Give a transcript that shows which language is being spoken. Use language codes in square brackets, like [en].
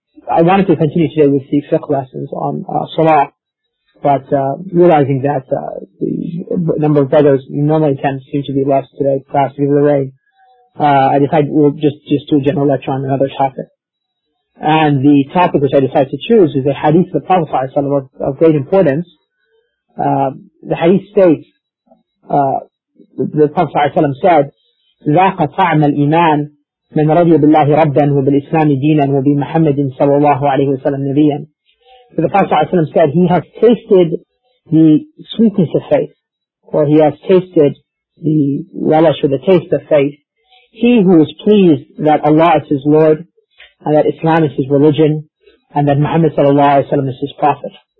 [en] I wanted to continue today with the fiqh lessons on salah, but realizing that the number of brothers normally tend to seem to be less today, perhaps due to the rain, I decided we'll just do a general lecture on another topic. And the topic which I decided to choose is a hadith of the Prophet of great importance. The hadith states, the Prophet said, [ar] ذَاقَ طَعْمَ الْإِيمَانِ مَنْ رَضِيَ بِاللَّهِ رَبًّا وَبِالْإِسْلَامِ دِينًا وَبِمُحَمَّدٍ صَلَّى اللَّهُ عَلَيْهِ وَسَلَّمَ نَبِيًّا. [en] So the Prophet said, he has tasted the sweetness of faith, or he has tasted the relish or the taste of faith, he who is pleased that Allah is his Lord, and that Islam is his religion, and that Muhammad sallallahu alayhi wa sallam is his prophet.